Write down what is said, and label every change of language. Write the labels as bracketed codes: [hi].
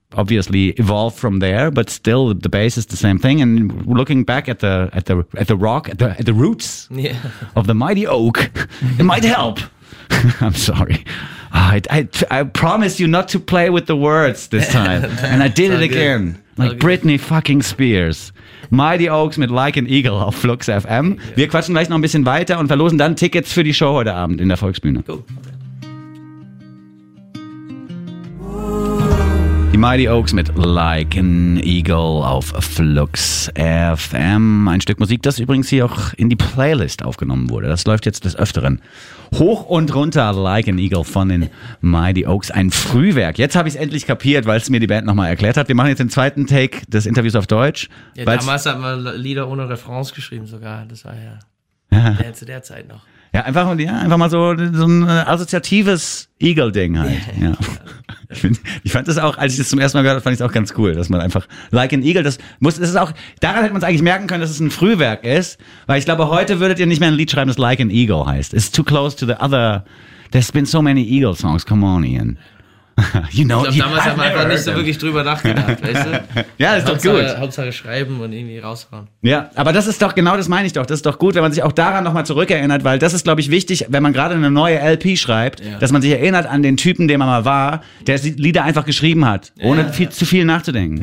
[en] obviously evolved from there, but still the base is the same thing. And looking back at the rock, at the roots of the mighty oak, it might help. I'm sorry. I promise you not to play with the words this time. And I did it again. Good. Like Britney fucking Spears. [de] Mighty Oaks mit Like an Eagle auf Flux FM. Yeah. Wir quatschen gleich noch ein bisschen weiter und verlosen dann Tickets für die Show heute Abend in der Volksbühne. Cool. Die Mighty Oaks mit Like an Eagle auf Flux FM. Ein Stück Musik, das übrigens hier auch in die Playlist aufgenommen wurde. Das läuft jetzt des Öfteren. Hoch und runter, Like an Eagle von den Mighty Oaks. Ein Frühwerk. Jetzt habe ich es endlich kapiert, weil es mir die Band nochmal erklärt hat. Wir machen jetzt den zweiten Take des Interviews auf Deutsch. Ja, damals hat man Lieder ohne Refrains geschrieben sogar. Das war ja zu der Zeit noch. Ja, einfach mal so ein assoziatives Eagle-Ding halt. Ja. Ich fand das auch, als ich das zum ersten Mal gehört habe, fand ich es auch ganz cool, dass man einfach Like an Eagle, daran hätte man es eigentlich merken können, dass es ein Frühwerk ist, weil ich glaube, heute würdet ihr nicht mehr ein Lied schreiben, das Like an Eagle heißt. [en] It's too close to the other, there's been so many Eagle songs, come on Ian. You know, [de] ich glaube, damals hat man einfach nicht so wirklich drüber nachgedacht, weißt du? Ja, das ist doch gut. Hauptsache schreiben und irgendwie raushauen. Ja, aber das ist doch, genau das meine ich doch, das ist doch gut, wenn man sich auch daran nochmal zurückerinnert, weil das ist, glaube ich, wichtig, wenn man gerade eine neue LP schreibt, dass man sich erinnert an den Typen, den man mal war, der Lieder einfach geschrieben hat, ohne zu viel nachzudenken.